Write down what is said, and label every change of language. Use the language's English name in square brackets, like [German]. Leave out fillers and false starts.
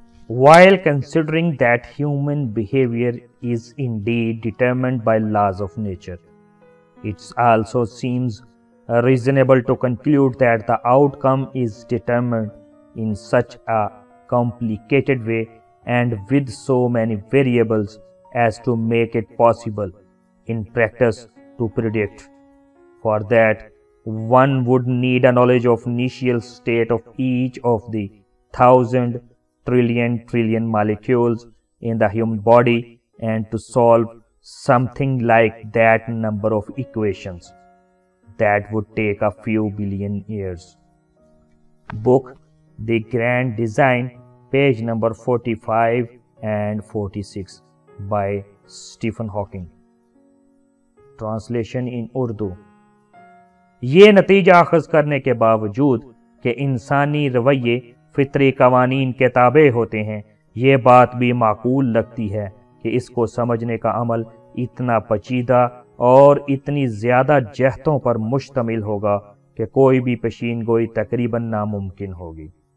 [English] While considering that human behavior is indeed determined by laws of nature, it also seems reasonable to conclude that the outcome is determined in such a complicated way and with so many variables as to make it possible in practice to predict. For that, one would need a knowledge of initial state of each of the thousand trillion trillion molecules in the human body and to solve something like that number of equations. That would take a few billion years. Book, The Grand Design, page number 45 and 46 by Stephen Hawking. [Urdu] Translation in Urdu, یہ نتیجہ اخذ کرنے کے باوجود کہ انسانی رویے فطری قوانین کے تابع ہوتے ہیں، یہ بات بھی معقول لگتی ہے کہ اس کو سمجھنے کا عمل اتنا پچیدہ اور اتنی زیادہ جہتوں پر مشتمل ہوگا کہ کوئی بھی پیشین گوئی تقریباً ناممکن ہوگی۔